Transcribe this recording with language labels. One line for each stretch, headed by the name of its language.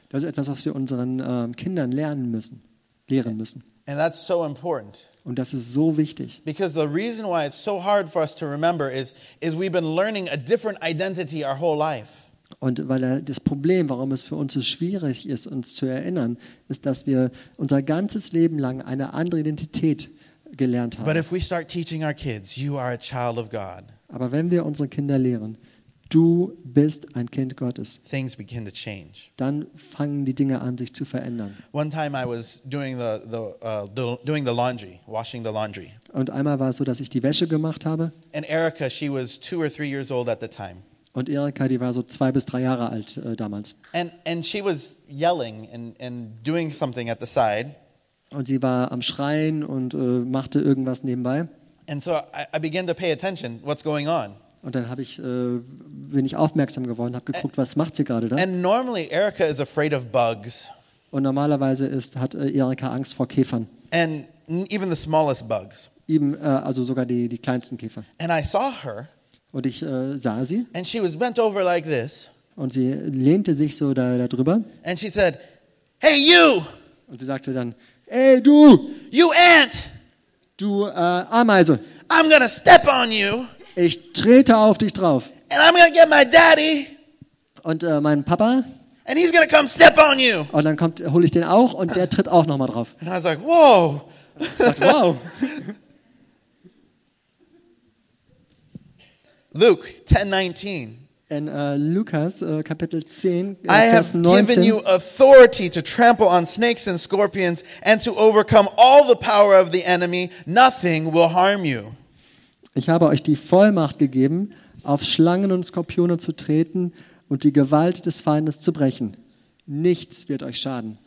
German: Das ist etwas, was wir unseren Kindern lehren müssen.
English: And that's so important.
German: Und das ist so wichtig.
English: Because the reason why it's so hard for us to remember is we've been learning a different identity our whole life.
German: Und weil das Problem, warum es für uns so schwierig ist, uns zu erinnern, ist, dass wir unser ganzes Leben lang eine andere Identität gelernt haben.
English: But if we start teaching our kids, you are a child of God.
German: Aber wenn wir unsere Kinder lehren, du bist ein Kind Gottes.
English: Things begin to change.
German: Dann fangen die Dinge an, sich zu verändern.
English: One time I was doing the laundry, washing the laundry.
German: Und einmal war es so, dass ich die Wäsche gemacht habe.
English: And Erica, she was 2 or 3 years old at the time.
German: Und Erika, die war so 2 bis 3 Jahre alt damals.
English: And she was yelling and doing something at the side.
German: Und sie war am Schreien und machte irgendwas nebenbei.
English: And so I began to pay attention. What's going on?
German: Und dann bin ich aufmerksam geworden, habe geguckt, was macht sie gerade da?
English: And normally Erica is afraid of bugs.
German: Und normalerweise hat Erica Angst vor Käfern.
English: And even the smallest bugs.
German: Also sogar die kleinsten Käfer.
English: And I saw her.
German: Und ich sah sie.
English: And she was bent over like this.
German: Und sie lehnte sich so da drüber.
English: And she said, "Hey you!"
German: Und sie sagte dann, "Hey du!
English: You ant!
German: Du Ameise!
English: I'm gonna step on you!"
German: Ich trete auf dich drauf.
English: And I'm gonna get my daddy.
German: Und mein Papa.
English: And he's gonna come step on you.
German: Und dann hole ich den auch und der tritt auch nochmal drauf.
English: And I was like, whoa.
German: Ich dachte, wow.
English: Luke 10:19.
German: In Lukas Kapitel 10,
English: I have
German: Vers 19.
English: Given you authority to trample on snakes and scorpions and to overcome all the power of the enemy. Nothing will harm you.
German: Ich habe euch die Vollmacht gegeben, auf Schlangen und Skorpione zu treten und die Gewalt des Feindes zu brechen. Nichts wird euch schaden.